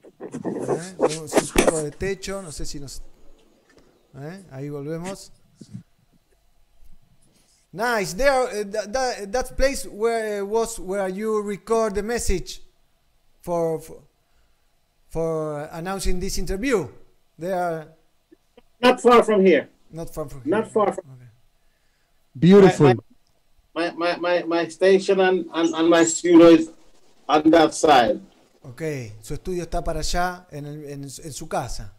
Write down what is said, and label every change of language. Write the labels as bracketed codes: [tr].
[es] Tenemos un poco de techo, no sé si nos... ahí volvemos. [en] Nice, there, that place where you record the message for announcing this interview. They are not far from here. Not far from here. Okay. Beautiful. My station and my studio is on that side. [es] Okay, su estudio está para allá en su casa.